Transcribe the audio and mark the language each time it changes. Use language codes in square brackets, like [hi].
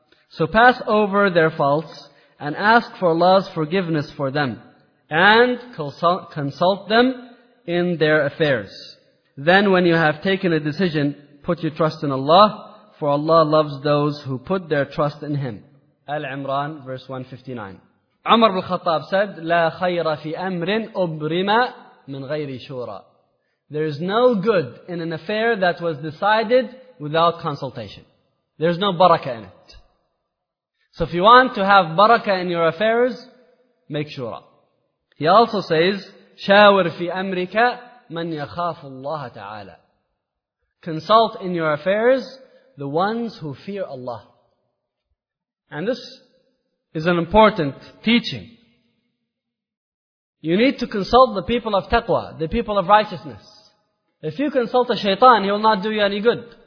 [en] So pass over their faults and ask for Allah's forgiveness for them and consult them in their affairs. Then when you have taken a decision, put your trust in Allah, for Allah loves those who put their trust in Him. Al-Imran, verse 159. Umar al-Khattab said, [ar] لَا خَيْرَ فِي أَمْرٍ أُبْرِمَ مِنْ غَيْرِ شُورَى. [en] There is no good in an affair that was decided without consultation. There is no barakah in it. So if you want to have barakah in your affairs, make shura. He also says, [ar] شاور في أمرك من يخاف الله تعالى. [en] Consult in your affairs the ones who fear Allah. And this is an important teaching. You need to consult the people of taqwa, the people of righteousness. If you consult a shaitan, he will not do you any good.